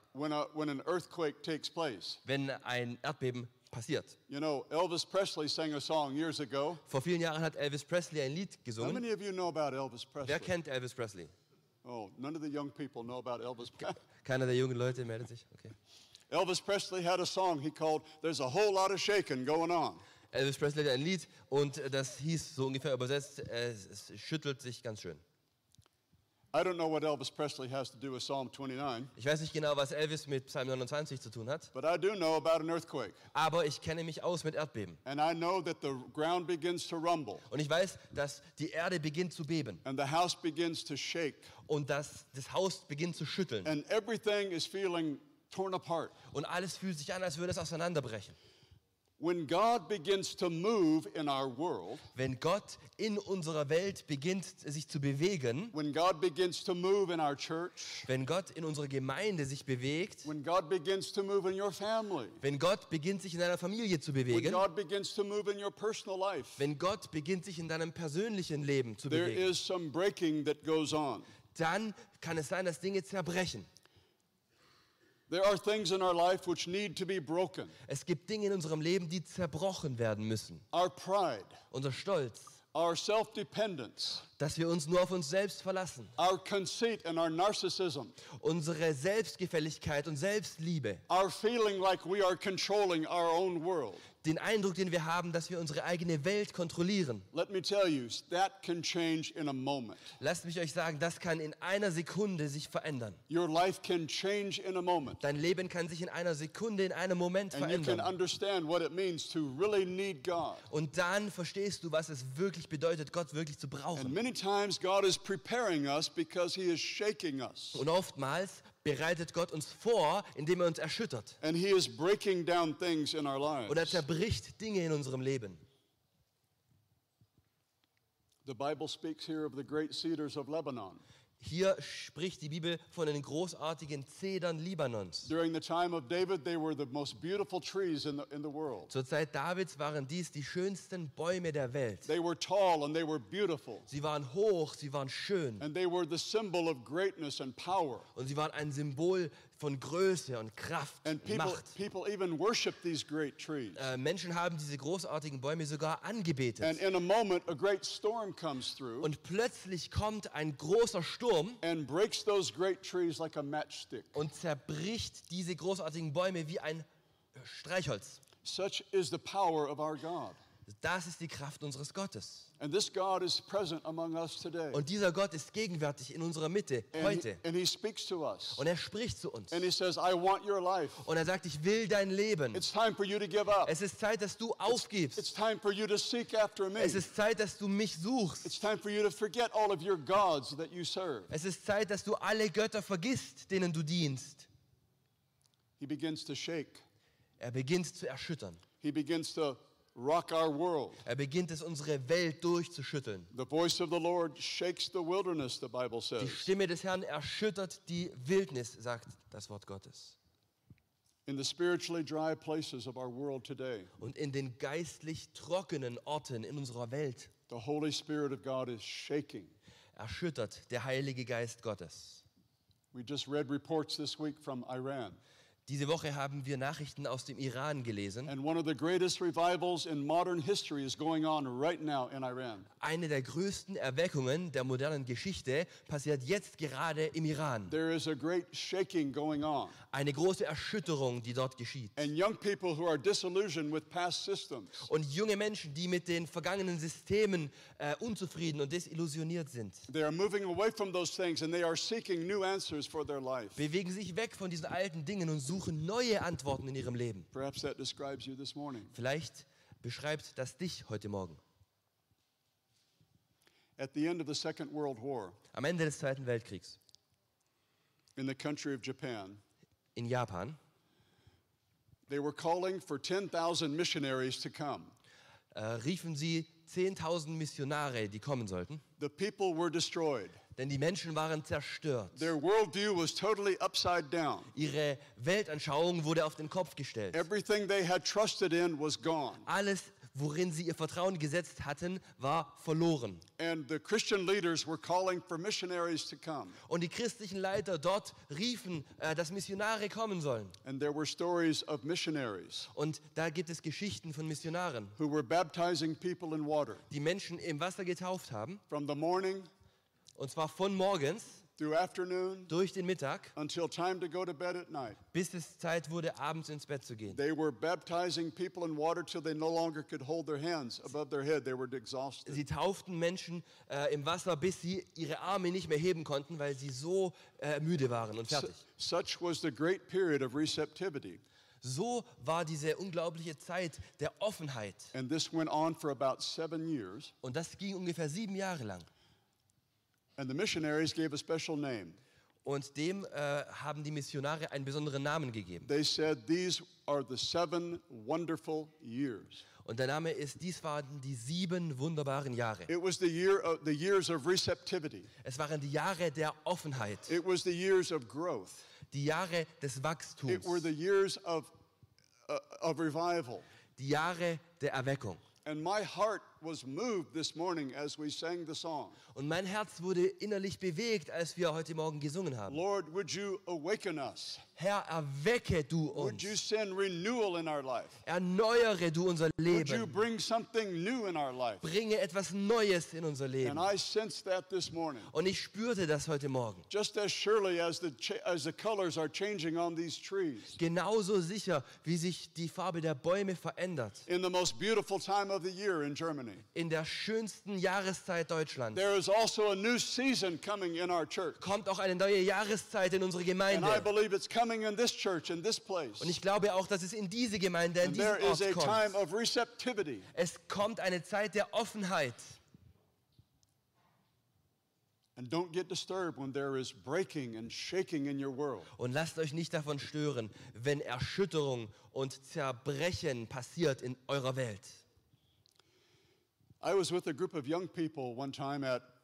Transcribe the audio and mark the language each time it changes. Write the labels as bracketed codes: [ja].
[en] When an earthquake takes place. [de] Wenn ein Erdbeben passiert. [en] You know, Elvis Presley sang a song years ago. [de] Vor vielen Jahren hat Elvis Presley ein Lied gesungen. [en] How many of you know about Elvis Presley? [de] Wer kennt Elvis Presley? [en] Oh, none of the young people know about Elvis Presley. [de] Keiner der jungen Leute meldet sich. [en] Okay. Elvis Presley had a song he called "There's a Whole Lot of Shaking Going On." [de] Elvis Presley hat ein Lied und das hieß so ungefähr übersetzt: Es schüttelt sich ganz schön. [en] I don't know what Elvis Presley has to do with Psalm 29. [de] Ich weiß nicht genau, was Elvis mit Psalm 29 zu tun hat. [en] But I do know about an earthquake. [de] Aber ich kenne mich aus mit Erdbeben. [en] And I know that the ground begins to rumble. [de] Und ich weiß, dass die Erde beginnt zu beben. [en] And the house begins to shake. [de] Und dass das Haus beginnt zu schütteln. [en] And everything is feeling torn apart. [de] Und alles fühlt sich an, als würde es auseinanderbrechen. [en] When God begins to move in our world, [de] wenn Gott in unserer Welt beginnt sich zu bewegen, [en] when God begins to move in our church, [de] wenn Gott in unserer Gemeinde sich bewegt, [en] when God begins to move in your family, [de] wenn Gott beginnt sich in deiner Familie zu bewegen, [en] when God begins to move in your personal life, [de] wenn Gott beginnt sich in deinem persönlichen Leben zu bewegen, [en] there is some breaking that goes on. [de] Dann kann es sein, dass Dinge zerbrechen. [en] There are things in our life which need to be broken. [de] Es gibt Dinge in unserem Leben, die zerbrochen werden müssen. [en] Our pride. [de] Unser Stolz. [en] Our self-dependence. [de] Dass wir uns nur auf uns selbst verlassen. [en] Our conceit and our narcissism. [de] Unsere Selbstgefälligkeit und Selbstliebe. [en] Our feeling like we are controlling our own world. [de] Den Eindruck, den wir haben, dass wir unsere eigene Welt kontrollieren. [en] Let me tell you, that can change in a moment. [de] Lasst mich euch sagen, das kann in einer Sekunde sich verändern. [en] Your life can change in a moment. [de] Dein Leben kann sich in einer Sekunde, in einem Moment [en] and [de] verändern. [en] You can understand what it means to really need God. [de] Und dann verstehst du, was es wirklich bedeutet, Gott wirklich zu brauchen. [en] And many times God is preparing us because he is shaking us. [de] Und oftmals bereitet Gott uns vor, indem er uns erschüttert. [en] And he is breaking down things in our lives. [de] Und er zerbricht Dinge in unserem Leben. [en] The Bible speaks here of the great cedars of Lebanon. [de] Hier spricht die Bibel von den großartigen Zedern Libanons. [en] During the time of David, they were the most beautiful trees in the world. [de] Zur Zeit Davids waren dies die schönsten Bäume der Welt. [en] They were tall and they were beautiful. [de] Sie waren hoch, sie waren schön. [en] And they were the symbol of greatness and power. [de] Und sie waren ein Symbol von Größe und Kraft und Macht. [en] People even worshiped these great trees. [de] Menschen haben diese großartigen Bäume sogar angebetet. [en] And in a moment, a great storm comes through. [de] Und plötzlich kommt ein großer Sturm [en] and breaks those great trees like a matchstick. [de] Und zerbricht diese großartigen Bäume wie ein Streichholz. [en] Such is the power of our God. [de] Das ist die Kraft unseres Gottes. [en] And this God is present among us today. [de] Und dieser Gott ist gegenwärtig in unserer Mitte heute. [en] And he speaks to us. [de] Und er spricht zu uns. [en] And he says, I want your life. [de] Und er sagt, ich will dein Leben. [en] It's time for you to give up. [de] Es ist Zeit, dass du aufgibst. [en] It's time for you to seek after me. [de] Es ist Zeit, dass du mich suchst. [en] It's time for you to forget all of your gods that you serve. [de] Es ist Zeit, dass du alle Götter vergisst, denen du dienst. [en] He begins to shake. [de] Er beginnt zu erschüttern. [en] He begins to rock our world. [de] Er beginnt es, unsere Welt durchzuschütteln. [en] The voice of the Lord shakes the wilderness, the Bible says. [de] Die Stimme des Herrn erschüttert die Wildnis, sagt das Wort Gottes. [en] In the spiritually dry places of our world today. [de] Und in den geistlich trockenen Orten in unserer Welt. [en] The Holy Spirit of God is shaking. [de] Erschüttert der Heilige Geist Gottes. [en] We just read reports this week from Iran. [de] Diese Woche haben wir Nachrichten aus dem Iran gelesen. [en] And one of the greatest revivals in modern history is going on right now in Iran. [de] Eine der größten Erweckungen der modernen Geschichte passiert jetzt gerade im Iran. [en] There is a great shaking going on. [de] Eine große Erschütterung, die dort geschieht. [en] And young people who are disillusioned with past systems. [de] Und junge Menschen, die mit den vergangenen Systemen unzufrieden und desillusioniert sind. [en] They are moving away from those things and they are seeking new answers for their life. [de] Bewegen sich weg von diesen alten Dingen und suchen neue Antworten in ihrem Leben. [en] Perhaps that describes you this morning. [de] Vielleicht beschreibt das dich heute Morgen. [en] At the end of the Second World War, [de] am Ende des Zweiten Weltkriegs, [en] in the country of Japan, [de] in Japan, [en] they were calling for 10,000 missionaries to come. [de] Riefen sie 10,000 Missionare, die kommen sollten. [en] The people were destroyed. [de] Denn die Menschen waren zerstört. [en] Their worldview was totally upside down. [de] Ihre Weltanschauung wurde auf den Kopf gestellt. [en] Everything they had trusted in was gone. [de] Alles, worin sie ihr Vertrauen gesetzt hatten, war verloren. [en] And the Christian leaders were calling for missionaries to come. [de] Und die christlichen Leiter dort riefen, dass Missionare kommen sollen. [en] And there were stories of missionaries. [de] Und da gibt es Geschichten von Missionaren, [en] who were baptizing people in water. [de] Die Menschen im Wasser getauft haben. [en] From the morning. [de] Und zwar von morgens [en] through afternoon, [de] durch den Mittag [en] until time to go to bed at night. [de] Bis es Zeit wurde, abends ins Bett zu gehen. [en] They were baptizing people in water till they no longer could hold their hands above their head. They were exhausted. [de] Sie tauften Menschen im Wasser, bis sie ihre Arme nicht mehr heben konnten, weil sie so müde waren und fertig. [en] Such was the great period of receptivity. [de] So war diese unglaubliche Zeit der Offenheit. [en] And this went on for about 7 years. [de] Und das ging ungefähr 7 Jahre lang. [en] And the missionaries gave a special name. [de] Und dem haben die Missionare einen besonderen Namen gegeben. [en] They said, these are the 7 wonderful years. [de] Und der Name ist, dies waren die 7 wunderbaren Jahre. [en] It was the year of the years of receptivity. [de] Es waren die Jahre der Offenheit. [en] It was the years of growth. [de] Die Jahre des Wachstums. [en] It were the years of revival. [de] Die Jahre der Erweckung. [en] And my heart was moved this morning as we sang the song. [de] Und mein Herz wurde innerlich bewegt, als wir heute Morgen gesungen haben. [en] Lord, would you awaken us? [de] Herr, erwecke du uns. [en] Would you send renewal in our life? [de] Erneuere du unser Leben. [en] Would you bring something new in our life? [de] Bringe etwas Neues in unser Leben. [en] And I sensed that this morning. [de] Und ich spürte das heute Morgen. [en] Just as surely as the colors are changing on these trees. [de] Genauso sicher, wie sich die Farbe der Bäume verändert. [en] In the most beautiful time of the year in Germany. [de] In der schönsten Jahreszeit Deutschlands. [en] There is also a new season coming in our church. [de] Kommt auch eine neue Jahreszeit in unsere Gemeinde. [en] And I believe it's coming in this church, in this place. [de] Und ich glaube auch, dass es in diese Gemeinde, in diesen Ort kommt. [en] There is a time of receptivity. [de] Es kommt eine Zeit der Offenheit. [en] And don't get disturbed when there is breaking and shaking in your world. [de] Und lasst euch nicht davon stören, wenn Erschütterung und Zerbrechen passiert in eurer Welt. [en] I was with a group of young people one time at